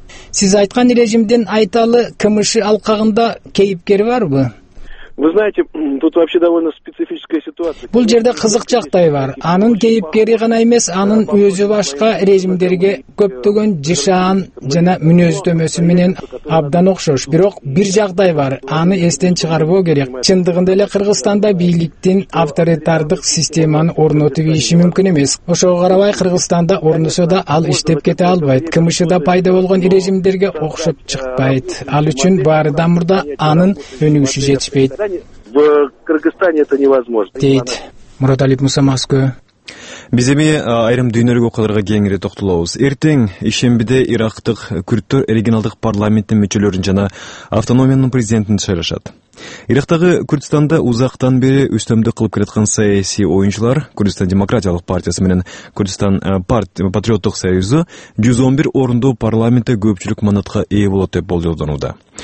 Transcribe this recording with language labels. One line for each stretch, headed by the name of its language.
Kyrgyz: Сиз айткан режимдин айталы КМШ алкагында кейипкери барбы?
Russian: Вы знаете, тут вообще довольно специфическая ситуация.
Kyrgyz: Бул жерде кызык жактай бар. Анын кейипкери гана эмес, анын өзү башка режимдерге көптөгөн жышаан жана мүнөздөмөсү менен абдан окшош. Бирок бир жагдай бар. Аны эстен чыгарбоо керек. Чындыгында эле Кыргызстанда бийликтин авторитардык системаны орнотуп ийиши мүмкүн эмес. Ошого карабай Кыргызстанда орносо да ал иштеп кете албайт. КМШда пайда болгон режимдерге окшоп чыкпайт. Ал үчүн баардан мурда анын өнүгүшү жетишпейт.
Russian: В Кыргызстане это невозможно.
Kyrgyz: Дейт Муроталип Мусамаскы. Биз эми айрым дүйнөлүк окуяларга кеңири токтолобуз. Эртең ишембиде Ирактык күрдтөр регионалдык парламенттин мүчөлөрүн жана автономиянын президентин шайлашат. Ирактагы Курдистанда узактан бери үстөмдүк кылып келаткан саясий оюнчулар Курдистан демократиялык партиясы менен Курдистан патриоттук союзу 111 орундуу парламентте көпчүлүк мандатка ээ болот деп болжолдонууда.